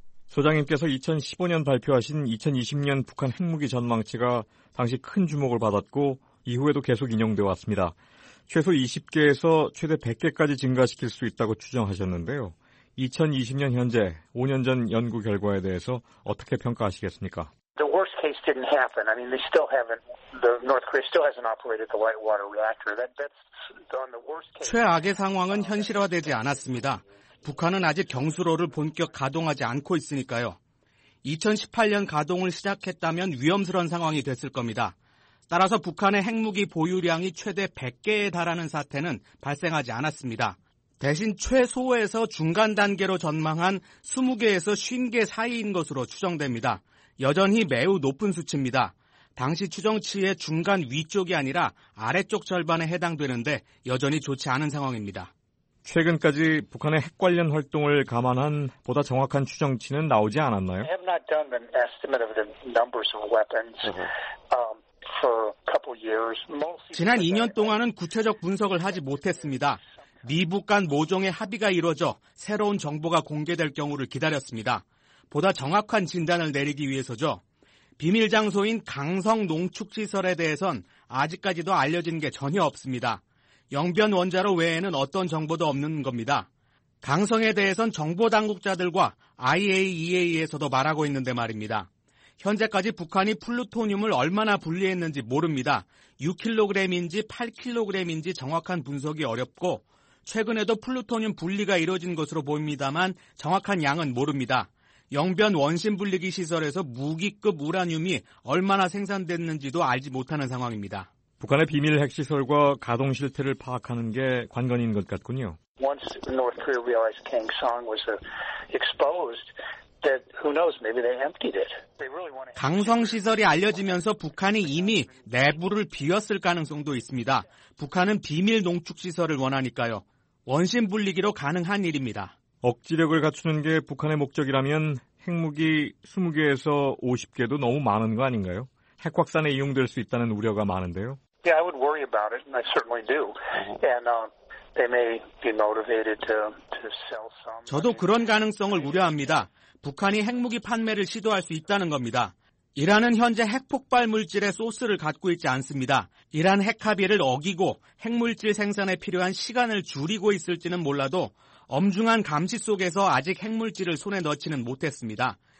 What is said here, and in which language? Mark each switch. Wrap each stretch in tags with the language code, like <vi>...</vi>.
<ko>소장님께서 2015년 발표하신 2020년 북한 핵무기 전망치가 당시 큰 주목을 받았고 이후에도 계속 인용돼 왔습니다. 최소 20개에서 최대 100개까지 증가시킬 수 있다고 추정하셨는데요. 2020년 현재 5년 전 연구 결과에 대해서 어떻게 평가하시겠습니까?</ko> <en>The worst case didn't happen. I mean, they still haven't. The North Korea still hasn't operated the light water reactor. That's on the worst case.</en> <ko>최악의 상황은 현실화되지 않았습니다. 북한은 아직 경수로를 본격 가동하지 않고 있으니까요. 2018년 가동을 시작했다면 위험스러운 상황이 됐을 겁니다. 따라서 북한의 핵무기 보유량이 최대 100개에 달하는 사태는 발생하지 않았습니다. 대신 최소에서 중간 단계로 전망한 20개에서 50개 사이인 것으로 추정됩니다. 여전히 매우 높은 수치입니다. 당시 추정치의 중간 위쪽이 아니라 아래쪽 절반에 해당되는데 여전히 좋지 않은 상황입니다. 최근까지 북한의 핵 관련 활동을 감안한 보다 정확한 추정치는 나오지 않았나요?</ko> <en>I have not done an estimate of the numbers of weapons. For a couple years.</en> <ko>지난 2년 동안은 구체적 분석을 하지 못했습니다. 미북 간 모종의 합의가 이뤄져 새로운 정보가 공개될 경우를 기다렸습니다. 보다 정확한 진단을 내리기 위해서죠. 비밀 장소인 강성 농축시설에 대해선 아직까지도 알려진 게 전혀 없습니다. 영변 원자로 외에는 어떤 정보도 없는 겁니다. 강성에 대해선 정보 당국자들과 IAEA에서도 말하고 있는데 말입니다. 현재까지 북한이 플루토늄을 얼마나 분리했는지 모릅니다. 6kg인지 8kg인지 정확한 분석이 어렵고 최근에도 플루토늄 분리가 이루어진 것으로 보입니다만 정확한 양은 모릅니다. 영변 원심 분리기 시설에서 무기급 우라늄이 얼마나 생산됐는지도 알지 못하는 상황입니다. 북한의 비밀 핵시설과 가동 실태를 파악하는 게 관건인 것 같군요.</ko> <en>Once North Korea realized Kangsong was exposed, that who knows, maybe they emptied it.</en> <ko>강성 시설이 알려지면서 북한이 이미 내부를 비웠을 가능성도 있습니다. 북한은 비밀 농축 시설을 원하니까요. 원심 분리기로 가능한 일입니다. 억지력을 갖추는 게 북한의 목적이라면 핵무기 20개에서 50개도 너무 많은 거 아닌가요? 핵 확산에 이용될 수 있다는 우려가 많은데요.</ko> <en>Yeah, I would worry about it, and I certainly do. And they may be motivated to sell some.</en> <ko>저도 그런 가능성을 우려합니다. 북한이 핵무기 판매를 시도할 수 있다는 겁니다. 이란은 현재 핵폭발 물질의 소스를 갖고 있지 않습니다. 이란 핵합의를 어기고 핵물질 생산에 필요한 시간을 줄이고 있을지는 몰라도 엄중한 감시 속에서 아직 핵물질을 손에 넣지는 못했습니다.</ko>